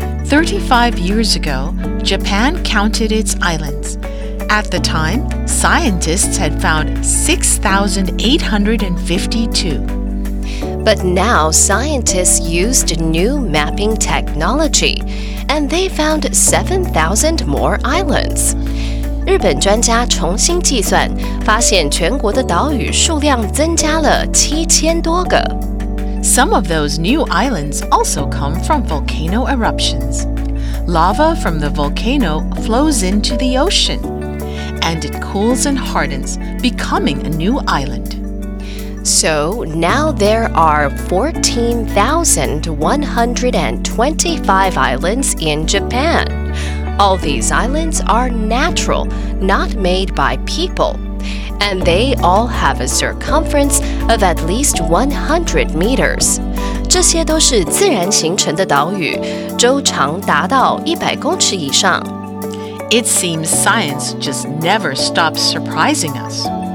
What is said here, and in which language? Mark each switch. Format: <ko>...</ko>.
<en>35 years ago, Japan counted its islands. At the time, scientists had found 6,852. But now scientists used new mapping technology, and they found 7,000 more islands.</en> <zh>日本专家重新计算，发现全国的岛屿数量增加了7,000多个。</zh> <en>Some of those new islands also come from volcano eruptions. Lava from the volcano flows into the ocean, and it cools and hardens, becoming a new island. So now there are 14,125 islands in Japan. All these islands are natural, not made by people. And they all have a circumference of at least 100 meters.</en> <zh>这些都是自然形成的岛屿，周长达到100公尺以上。</zh> <en>It seems science just never stops surprising us.</en>